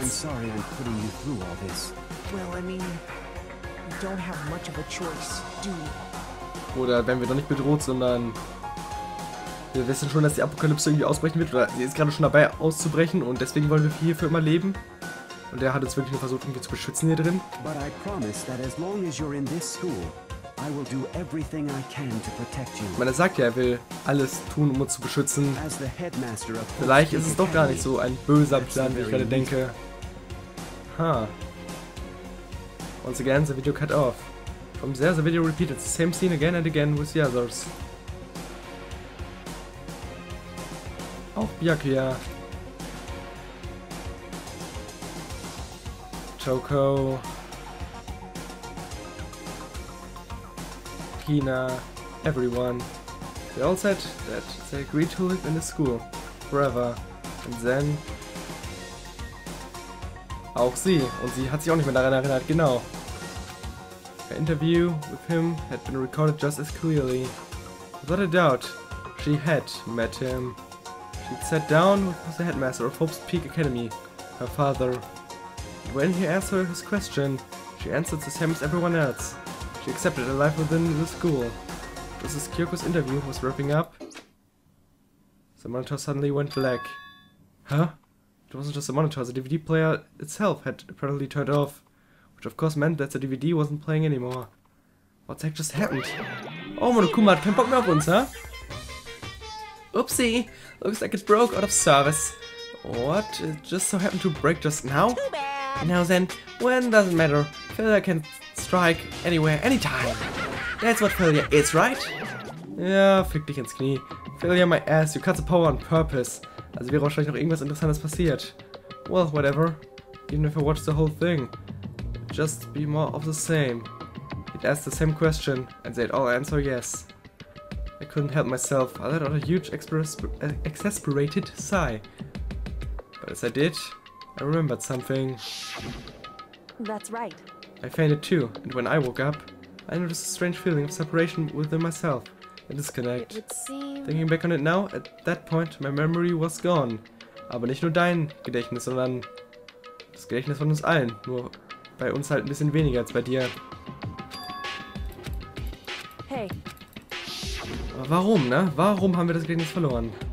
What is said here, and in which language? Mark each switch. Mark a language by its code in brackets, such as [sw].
[en] I'm sorry I'm putting you through all this. Well, I mean, you don't have much of a choice, do you? [de] Oder werden wir doch nicht bedroht, sondern wir wissen schon, dass die Apokalypse irgendwie ausbrechen wird, oder sie ist gerade schon dabei auszubrechen und deswegen wollen wir hier für immer leben. Und er hat uns wirklich nur versucht, irgendwie zu beschützen hier drin. [en] But I promise that as long as you're in this school, I will do everything I can to protect you. [de] Man, er sagt ja, er will alles tun, um uns zu beschützen. Vielleicht ist es doch gar nicht so ein böser Plan, wie ich gerade denke. [en] Ha. Once again, the video cut off. From there, the video repeated the same scene again and again with the others. [de] Auch Byakuya. [en] Choco. Pina. Everyone. They all said that they agreed to live in the school. Forever. And then... [de] auch sie. Und sie hat sich auch nicht mehr daran erinnert, genau. [en] Her interview with him had been recorded just as clearly. Without a doubt, she had met him. She'd sat down with the headmaster of Hope's Peak Academy, her father. And when he asked her his question, she answered the same as everyone else. She accepted a life within the school. Just as Kyoko's interview was wrapping up, the monitor suddenly went black. Huh? It wasn't just the monitor, the DVD player itself had apparently turned off. Which of course meant that the DVD wasn't playing anymore. What the heck just happened? [de] Oh, Monokuma hat keinen Bock mehr auf uns, huh? [en] Oopsie! Looks like it broke out of service. What? It just so happened to break just now? Too bad! Now then, when does it matter? Failure can strike anywhere, anytime! That's what failure is, right? [de] Ja, flick dich ins Knie. [en] Failure my ass, you cut the power on purpose. [de] Also wäre wahrscheinlich noch irgendwas Interessantes passiert. [en] Well, whatever. Even if I watched the whole thing. Just be more of the same. He'd ask the same question, and they'd all answer yes. I couldn't help myself. I let out a huge exasperated sigh. But as I did, I remembered something. That's right. I fainted too, and when I woke up, I noticed a strange feeling of separation within myself, a disconnect. It would seem... Thinking back on it now, at that point, my memory was gone. [de] Aber nicht nur dein Gedächtnis, sondern das Gedächtnis von uns allen. Nur bei uns halt ein bisschen weniger als bei dir. Hey. Warum, ne? Warum haben wir das Gedächtnis verloren?